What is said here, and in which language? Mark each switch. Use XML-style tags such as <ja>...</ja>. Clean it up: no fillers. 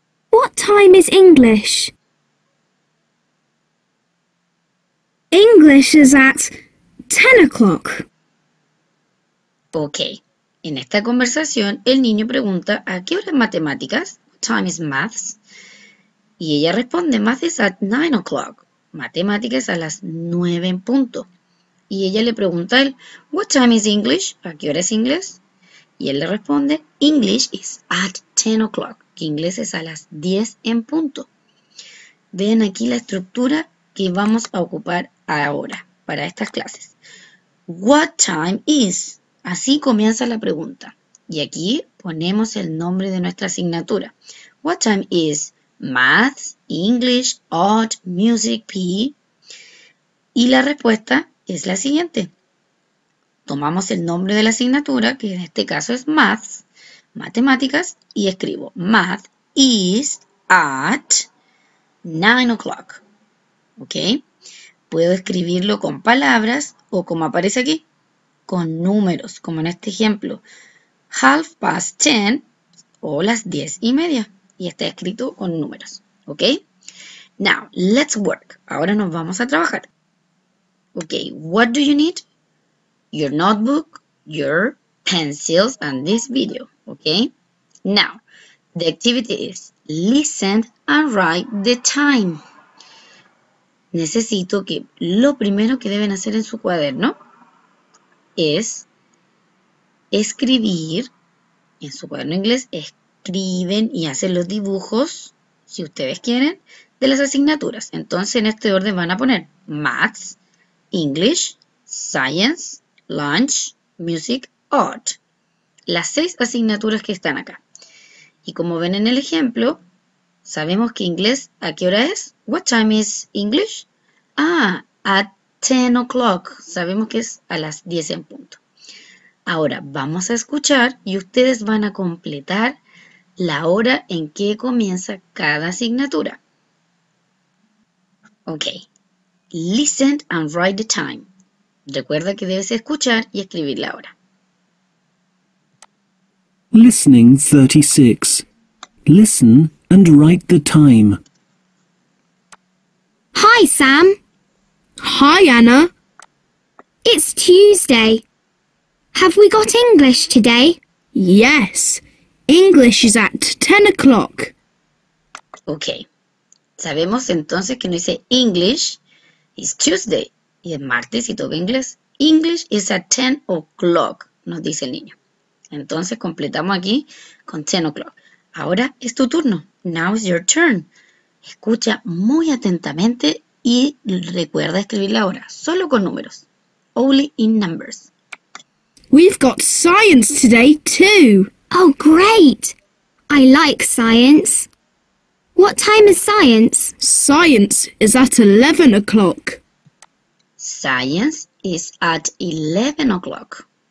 <en>What time is English? English is at 10 o'clock.</en> <es>Ok, en esta conversación el niño pregunta, ¿a qué hora es matemáticas?</es> <en>What time is maths?</en> <es>Y ella responde,</es> <en>maths is at 9 o'clock.</en> <es>Matemáticas a las 9 en punto. Y ella le pregunta a él,</es> <en>what time is English?</en> <es>¿A qué hora es inglés? Y él le responde,</es> <en>English is at 10 o'clock.</en> <es>Que inglés es a las 10 en punto. Vean aquí la estructura que vamos a ocupar ahora para estas clases.</es> <en>What time is...</en> <es>Así comienza la pregunta. Y aquí ponemos el nombre de nuestra asignatura.</es> <en>What time is math, English, art, music, PE?</en> <es>Y la respuesta es la siguiente. Tomamos el nombre de la asignatura, que en este caso es math, matemáticas, y escribo</es> <en>math is at 9 o'clock.</en> <es>¿Ok? Puedo escribirlo con palabras o como aparece aquí. Con números, como en este ejemplo, 10:30 o las 10:30. Y está escrito con números, ¿ok?</es> <en>Now, let's work.</en> <es>Ahora nos vamos a trabajar.</es> <en>Ok, what do you need? Your notebook, your pencils, and this video, ¿ok? Now, the activity is listen and write the time.</en> <es>Necesito que lo primero que deben hacer en su cuaderno es escribir, en su cuaderno inglés, escriben y hacen los dibujos, si ustedes quieren, de las asignaturas. Entonces, en este orden van a poner Maths, English, Science, Lunch, Music, Art. Las 6 asignaturas que están acá. Y como ven en el ejemplo, sabemos que inglés, ¿a qué hora es?</es> <en>What time is English? Ah, at 10 o'clock.</en> <es>Sabemos que es a las 10 en punto. Ahora vamos a escuchar y ustedes van a completar la hora en que comienza cada asignatura.</es> <en>Ok. Listen and write the time.</en> <es>Recuerda que debes escuchar y escribir la hora.</es> <en>Listening 36. Listen and write the time. Hi, Sam. Hi, Anna. It's Tuesday. Have we got English today? Yes. English is at 10 o'clock.</en> <es>Ok. Sabemos entonces que no dice</es> <en>English is Tuesday.</en> <es>Y es martes y toca inglés.</es> <en>English is at 10 o'clock,</en> <es>nos dice el niño. Entonces completamos aquí con</es> <en>10 o'clock.</en> <es>Ahora es tu turno.</es> <en>Now is your turn.</en> <es>Escucha muy atentamente y recuerda escribir la hora, solo con números.</es> <en>Only in numbers. We've got science today too. Oh, great. I like science. What time is science? Science is at 11 o'clock. Science is at 11 o'clock.</en>